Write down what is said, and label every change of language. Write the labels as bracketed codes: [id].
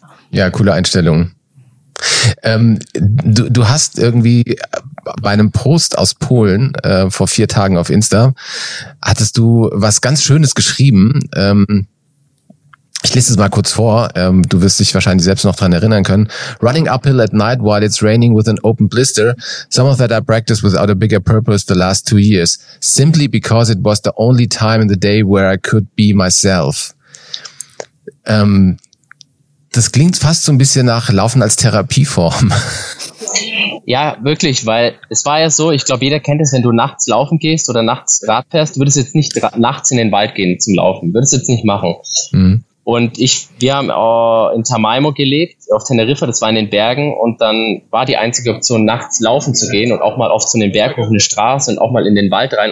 [de] Ja, coole Einstellung. Du hast irgendwie bei einem Post aus Polen vor 4 Tagen auf Insta, hattest du was ganz Schönes geschrieben. Ich lese es mal kurz vor. Du wirst dich wahrscheinlich selbst noch dran erinnern können. [en] Running uphill at night while it's raining with an open blister. Some of that I practiced without a bigger purpose the last 2 years. Simply because it was the only time in the day where I could be myself. [de] Das klingt fast so ein bisschen nach Laufen als Therapieform. Ja, wirklich, weil es war ja so, ich glaube, jeder kennt es, wenn du nachts laufen gehst oder nachts Rad fährst, würdest du jetzt nicht nachts in den Wald gehen zum Laufen, würdest du jetzt nicht machen. Und wir haben in Tamaimo gelebt, auf Teneriffa, das war in den Bergen, und dann war die einzige Option, nachts laufen zu gehen und auch mal auf so einen Berg hoch, eine Straße und auch mal in den Wald rein.